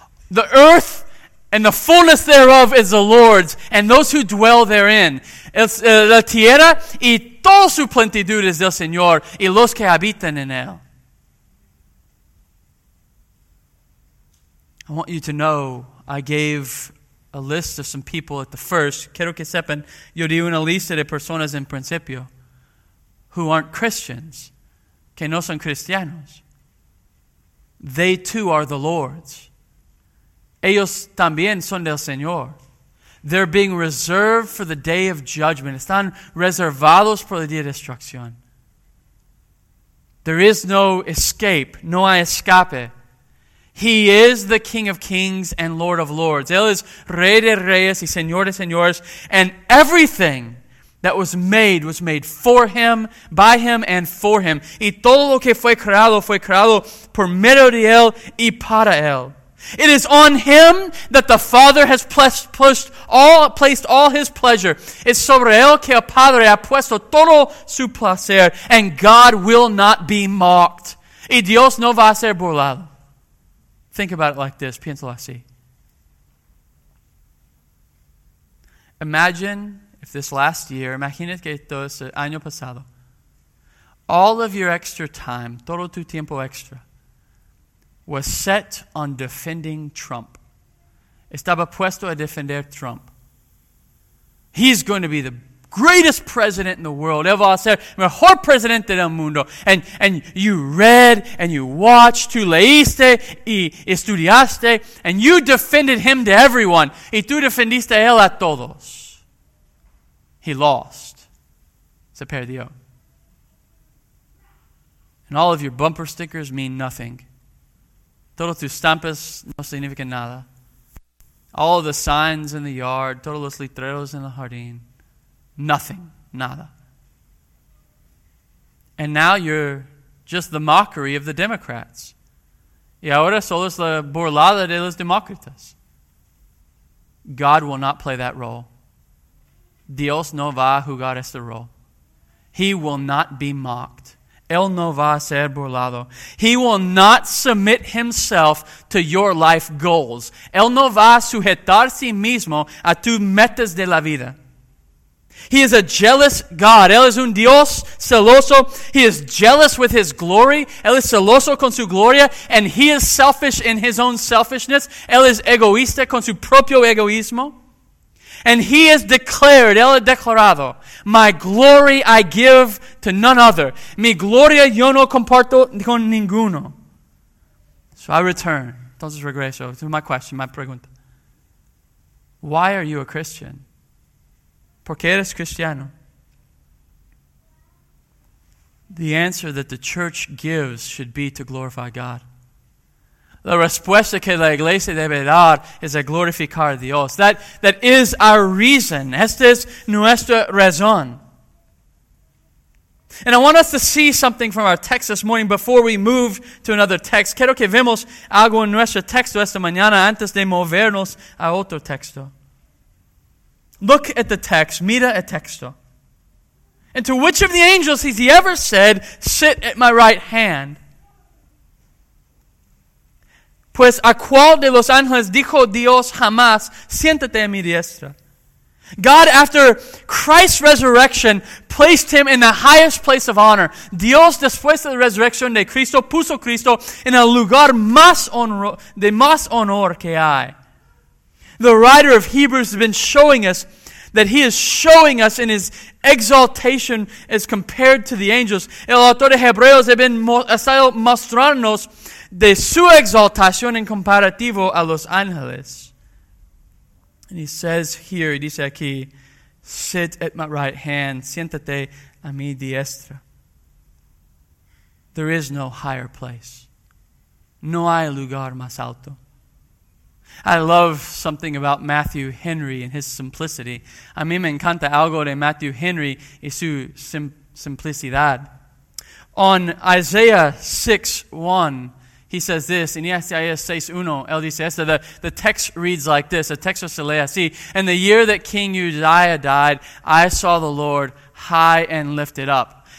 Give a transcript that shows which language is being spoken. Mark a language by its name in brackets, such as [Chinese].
[English] The earth and the fullness thereof is the Lord's, and those who dwell therein. [Spanish] La tierra y toda su plenitud es del Señor, y los que habitan en Él. [English] I want you to know, I gave a list of some people at the first. [Spanish] Quiero que sepan, yo di una lista de personas en principio [English] who aren't Christians, [Spanish] que no son cristianos. [English] They too are the Lord's. [Spanish] Ellos también son del Señor. [English] They're being reserved for the day of judgment. [Spanish] Están reservados por el día de destrucción. [English] There is no escape. [Spanish] No hay escape. [English] He is the King of Kings and Lord of Lords. [Spanish] Él es Rey de Reyes y Señor de Señores. [English] And everything that was made for Him, by Him, and for Him. [Spanish] Y todo lo que fue creado por medio de Él y para Él. [English] It is on Him that the Father has placed all His pleasure. [Spanish] Es sobre Él que el Padre ha puesto todo su placer. [English] And God will not be mocked. [Spanish] Y Dios no va a ser burlado. [English] Think about it like this. [Spanish] Piénsalo así. [English] Imagine if this last year, [Spanish] imagínate que todo ese año pasado, [English] all of your extra time, [Spanish] todo tu tiempo extra, [English] was set on defending Trump. [Spanish] estaba puesto a defender Trump. [English] He's going to be the greatest president in the world. [Spanish] Él va a ser mejor presidente del mundo. [English] And you read and you watched, [Spanish] tú leíste y estudiaste, [English] and you defended him to everyone. [Spanish] Y tú defendiste a él a todos. [English] He lost. [Spanish] Se perdió. [English] And all of your bumper stickers mean nothing. [Spanish] Todos tus estampas no significan nada. [English] All of the signs in the yard, [Spanish] todos los letreros [English] in the jardín, nothing, nada. And now you're just the mockery of the Democrats. [Spanish] Y ahora solo es la burlada de los demócratas. [English] God will not play that role. [Spanish] Dios no va a jugar este rol. [English] He will not be mocked. [Spanish] Él no va a ser burlado. [English] He will not submit himself to your life goals. [Spanish] Él no va a sujetar sí mismo a tus metas de la vida. [English] He is a jealous God. [Spanish] Él es un Dios celoso. [English] He is jealous with his glory. [Spanish] Él es celoso con su gloria. [English] And he is selfish in his own selfishness. [Spanish] Él es egoísta con su propio egoísmo. [English] And he has declared, [Spanish] él ha declarado, [English] my glory I give to none other. [Spanish] Mi gloria yo no comparto con ninguno. [English] So I return. [Spanish] Entonces regreso [English] to my question, my pregunta. Why are you a Christian? [Spanish] ¿Por qué eres cristiano? [English] The answer that the church gives should be to glorify God. [Spanish] La respuesta que la iglesia debe dar es a glorificar a Dios. [English] That is our reason. [Spanish] Esta es nuestra razón. [English] And I want us to see something from our text this morning before we move to another text. [Spanish] Quiero que vemos algo en nuestro texto esta mañana antes de movernos a otro texto. [English] Look at the text. [Spanish] Mira el texto. [English] And to which of the angels has he ever said, sit at my right hand? [Spanish] Pues a cuál de los ángeles dijo Dios jamás, siéntate a mi diestra. [English] God, after Christ's resurrection, placed him in the highest place of honor. [Spanish] Dios, después de la resurrección de Cristo, puso a Cristo en el lugar más honor que hay. [English] The writer of Hebrews has been showing us that he is showing us in his exaltation as compared to the angels. [Spanish] El autor de Hebreos ha estado mostrándonos de su exaltación en comparativo a los ángeles. [English] And he says here, he [Spanish] dice aquí, [English] sit at my right hand, [Spanish] siéntate a mi diestra. [English] There is no higher place. [Spanish] No hay lugar más alto. [English] I love something about Matthew Henry and his simplicity. [Spanish] A mí me encanta algo de Matthew Henry y su simplicidad. [English] On Isaiah 6:1, he says this, in Isaiah 6:1, [Spanish] él dice esto, [English] the text reads like this, the [Spanish] texto se lee así, [English] in the year that King Uzziah died, I saw the Lord high and lifted up.